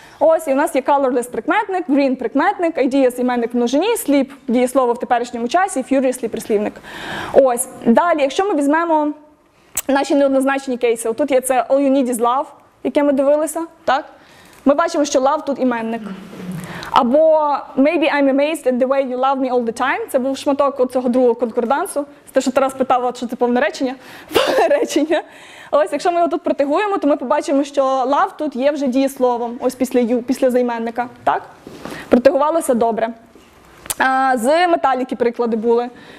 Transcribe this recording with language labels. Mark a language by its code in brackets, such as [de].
[uk] Ось, і у нас є colorless прикметник, green прикметник, ideas іменник в множині, sleep дієслово в теперішньому часі, furiously прислівник. Ось. Далі, якщо ми візьмемо наші неоднозначні кейси. Отут є це [en] all you need is love, [uk] яке ми дивилися, так? Ми бачимо, що love тут іменник. [en] Або maybe I'm amazed at the way you love me all the time. [uk] Це був шматок оцього другого конкордансу. Те, що Тарас питав, що це повне речення. Речення. Ось, якщо ми його тут протегуємо, то ми побачимо, що love тут є вже дієсловом. Ось після you, після займенника, так? Протегувалося добре. З металіки приклади були.